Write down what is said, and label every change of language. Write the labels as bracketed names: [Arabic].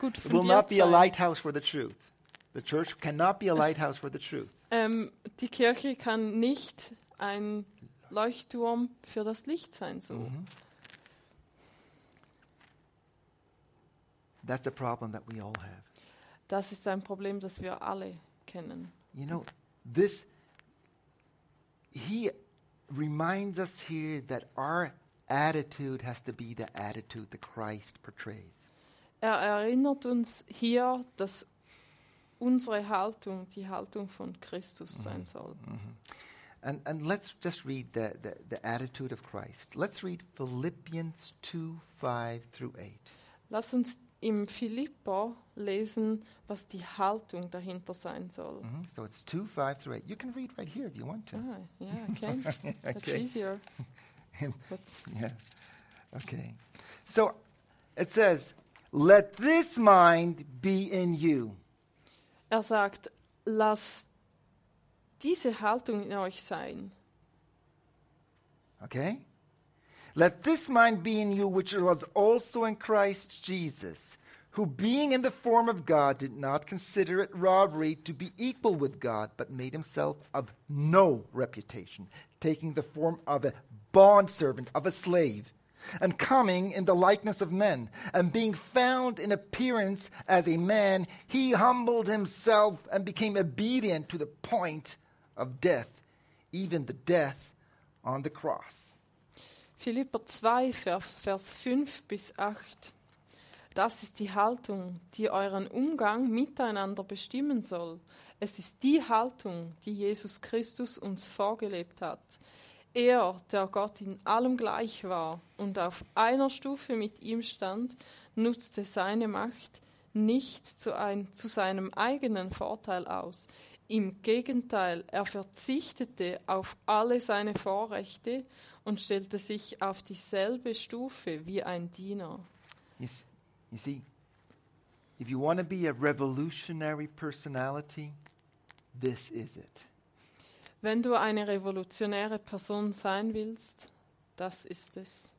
[English] will not be a lighthouse for the truth. The church cannot be a lighthouse for the truth. [German] Die Kirche kann nicht ein Leuchtturm für das Licht sein. So. Mm-hmm. [English] That's a problem that we all have. [German] Das ist ein Problem, das wir alle kennen. [English] You know, this, he reminds us here that our attitude has to be the attitude that Christ portrays. [German] Er erinnert uns hier, dass unsere Haltung die Haltung von Christus sein soll. Mm-hmm. [English] And let's just read the attitude of Christ. Let's read Philippians 2:5-8. [German] Lass uns im Philippa lesen, was die Haltung dahinter sein soll. Mm-hmm. [English] So it's 2:5-8. You can read right here if you want to. Yeah, I can. Okay. That's easier. Yeah. Okay. So it says, let this mind be in you. [German] Er sagt, lass diese Haltung in euch sein. [English] Okay? Let this mind be in you, which was also in Christ Jesus, who being in the form of God did not consider it robbery to be equal with God, but made himself of no reputation, taking the form of a bondservant, of a slave, and coming in the likeness of men, and being found in appearance as a man, he humbled himself and became obedient to the point of death, even the death on the cross. [German] Philipper 2, Vers 5 bis 8. Das ist die Haltung, die euren Umgang miteinander bestimmen soll. Es ist die Haltung, die Jesus Christus uns vorgelebt hat. Er, der Gott in allem gleich war und auf einer Stufe mit ihm stand, nutzte seine Macht nicht zu seinem eigenen Vorteil aus. Im Gegenteil, er verzichtete auf alle seine Vorrechte und stellte sich auf dieselbe Stufe wie ein Diener. [English] You see, if you want to be a revolutionary personality, this is it. [German] Wenn du eine revolutionäre Person sein willst, das ist es.